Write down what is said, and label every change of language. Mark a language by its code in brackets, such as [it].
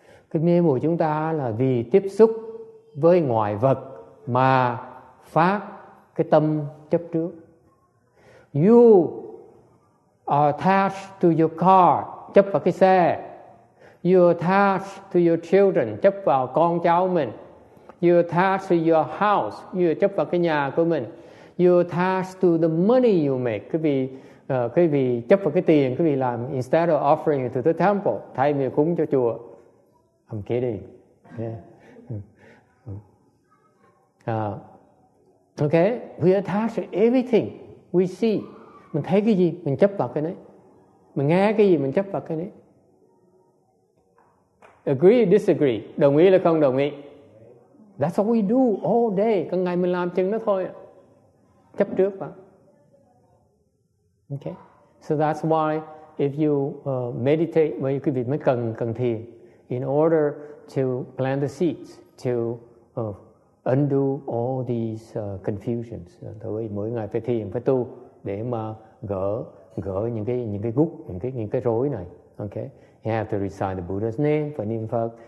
[vi] Cái mê mùi chúng ta là vì tiếp xúc với ngoại vật mà phát cái tâm chấp trước. [en] You are attached to your car, [vi] chấp vào cái xe. [en] You are attached to your children, [vi] chấp vào con cháu mình. [en] You are attached to your house, you are [vi] chấp vào cái nhà của mình. [en] You are attached to the money you make. [vi] Quý vị chấp vào cái tiền quý vị làm. [en] Instead of offering it to the temple, [vi] thay vì cúng cho chùa. [en] I'm kidding. Yeah. Okay, we are attached to everything we see. [vi] Mình thấy cái gì, mình chấp vào cái đấy. Mình nghe cái gì, mình chấp vào cái đấy. [en] Agree or disagree? [vi] Đồng ý là không đồng ý? [en] That's what we do all day. [vi] Cả ngày mình làm chừng đó thôi. Chấp trước mà. [en] Okay. So that's why if you meditate, well, [vi] quý vị mới cần thiền [en] in order to plant the seeds to undo all these confusions. [vi] Thôi, mỗi ngày phải thiền, phải tu để mà gỡ những cái gút, những cái rối này. [en] Okay. You have to recite the Buddha's name for niệm Phật.